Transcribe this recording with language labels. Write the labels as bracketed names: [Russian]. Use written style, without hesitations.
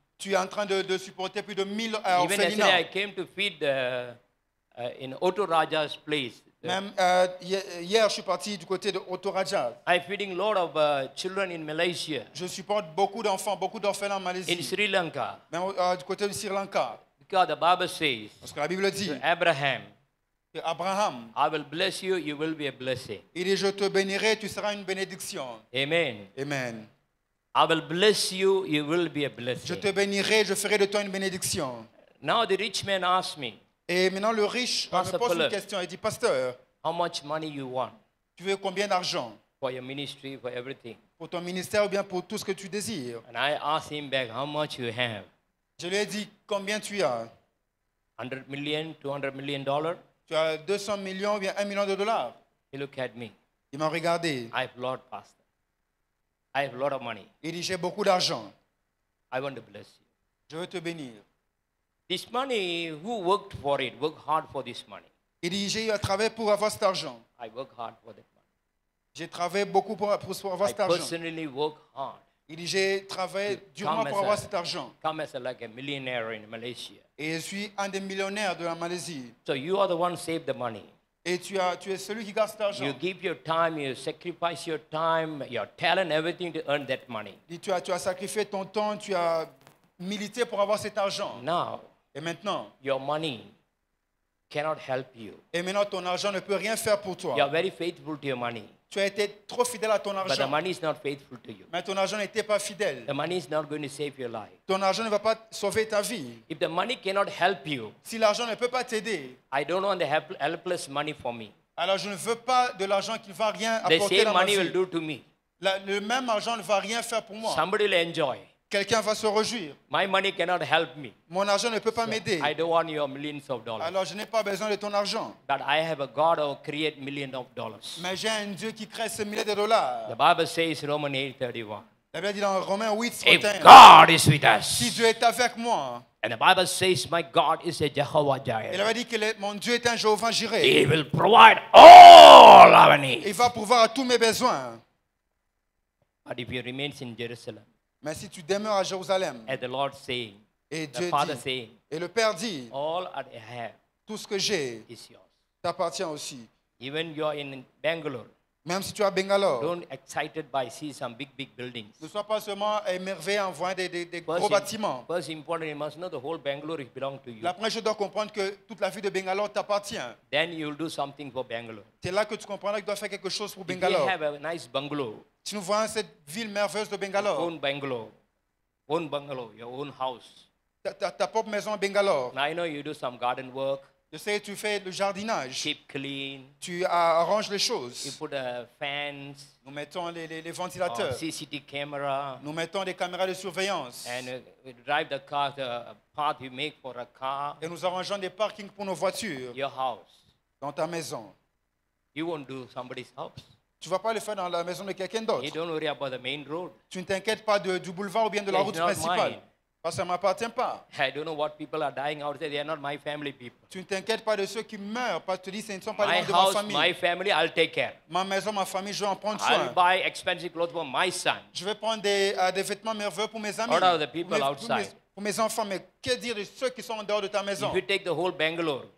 [French] Tu es en train de supporter plus de 1000 orphelinats. [English] Even yesterday I came to feed in Otto Raja's place. [French] Même hier, je suis parti du côté de Otto Raja. [English] I'm feeding a lot of children in Malaysia. [French] Je supporte beaucoup d'orphelins en Malaisie. [English] In Sri Lanka. [French] Même du côté du Sri Lanka. [English] Because the Bible says. [French] Parce que la Bible dit. [English] Abraham. [French] Abraham. [English] I will bless you. You will be a blessing. [French] Il dit, je te bénirai. Tu seras une bénédiction. [English] Amen. Amen. I will bless you, you will be a blessing. [French] Je te bénirai, je ferai de toi une bénédiction. [English] Now the rich man asked me. [French] Et maintenant le riche me pose une question et dit, pasteur, [English] how much money you want? [French] Tu veux combien d'argent? [English] For your ministry, for everything. [French] Pour ton ministère ou bien pour tout ce que tu désires. [English] And I asked him back, how much you have? [French] Je lui ai dit, combien tu as? [English] 100 million, 200 million dollars. [French] Tu as 200 millions ou bien 1 million de dollars. [English] He looked at me. [French] Il m'a regardé. [English] I have a lot, pastor. I have a lot of money. [French] Il dit, j'ai beaucoup d'argent. [English] I want to bless you. [French] Je veux te bénir. [English] This money, who worked for it, worked hard for this money. [French] Il dit, j'ai travaillé pour avoir cet argent. [English] I work hard for that money. [French] J'ai travaillé beaucoup pour avoir cet argent. [English] I personally work hard. [French] Il dit, j'ai travaillé durement pour avoir cet argent. [English] Come as a, like a millionaire in Malaysia. [French] Et je suis un des millionnaires de la Malaisie. [English] So you are the one who saved the money. [French] Et tu es celui qui garde cet argent. [English] You give your time, you sacrifice your time, your talent, everything to earn that money. [French] Et tu as sacrifié ton temps, tu as milité pour avoir cet argent. [English] Now, [French] et maintenant, [English] your money cannot help you. [French] Et maintenant, ton argent ne peut rien faire pour toi. [English] You are very faithful to your money. [French] Tu as été trop fidèle à ton argent. [English] But the money is not faithful to you. [French] Mais ton argent n'était pas fidèle. [English] The money is not going to save your life. [French] Ton argent ne va pas sauver ta vie. [English] If the money cannot help you, [French] si l'argent ne peut pas t'aider, [English] I don't want the helpless money for me. [French] Alors je ne veux pas de l'argent qui ne va rien apporter dans ma vie. [English] The same money will do to me. [French] Le même argent ne va rien faire pour moi. [English] Somebody will enjoy. [French] Quelqu'un va se réjouir. [English] My money cannot help me. [French] Mon argent ne peut pas m'aider. [English] I don't want your millions of dollars. [French] Alors je n'ai pas besoin de ton argent. [English] But I have a God who create millions of dollars. [French] Mais j'ai un Dieu qui crée ces milliers de dollars. [English] The Bible says Romans 8:31. [French] La Bible dit dans Romains 8, [English] if God is with us. [French] Si Dieu est avec moi. [English] And the Bible says my God is a Jehovah Jireh. [French] Il avait dit que mon Dieu est un Jéhovah Jireh. [English] He will provide all our needs. [French] Il va pourvoir à tous mes besoins. [English] But if he remains in Jerusalem. [French] Mais si tu demeures à Jérusalem, [English] and the Lord saying, [French] et [English] the [French] Dieu [English] Father [French] dit, [English] saying, [French] et le Père dit, [English] all I have, [French] tout ce que j'ai, [English] is yours. [French] T'appartient aussi. [English] Even you are in Bangalore, [French] même si tu es à Bangalore, [English] don't excited by see some big buildings. [French] Ne sois pas seulement émerveillé en voyant des gros bâtiments. [English] First important, you must know the whole Bangalore belongs to you. [French] La première chose, tu dois comprendre que toute la ville de Bangalore t'appartient. [English] Then you will do something for Bangalore. [French] C'est là que tu comprendras que tu dois faire quelque chose pour Bangalore. [English] If you have a nice bungalow. [French] Si nous voyons cette ville merveilleuse de Bangalore. [English] Your own bungalow. Own bungalow, your own house. [French] Ta propre maison à Bangalore. [English] Now I know you do some garden work. [French] Je sais, tu fais le jardinage. [English] Keep clean. [French] Tu arranges les choses. [English] You put a fence. [French] Nous mettons les ventilateurs. [English] CCTV camera. [French] Nous mettons des caméras de surveillance. [English] And we drive the car, the path you make for a car. [French] Et nous arrangeons des parkings pour nos voitures. [English] Your house. [French] Dans ta maison. [English] You won't do somebody's house. [French] Tu ne vas pas le faire dans la maison de quelqu'un d'autre. [English] You don't worry about the main road. [French] Tu ne t'inquiètes pas du boulevard ou bien de la route principale. [English] Mine. [French] Parce que ça ne m'appartient pas. [English] I don't know what people are dying out there. They are not my family people. [French] Tu ne t'inquiètes pas de ceux qui meurent parce que tu dis que ce ne sont pas [English] my [French] les membres [English] house, [French] de ma famille. [English] My family, I'll take care. [French] Ma maison, ma famille, je vais en prendre [English] I'll [French] soin. [English] Buy expensive clothes for my son. [French] Je vais prendre des vêtements merveilleux pour mes amis. [English] What are the people outside? [French] Pour mes enfants, mais que dire de ceux qui sont en dehors de ta maison? [English] If you take the whole Bangalore,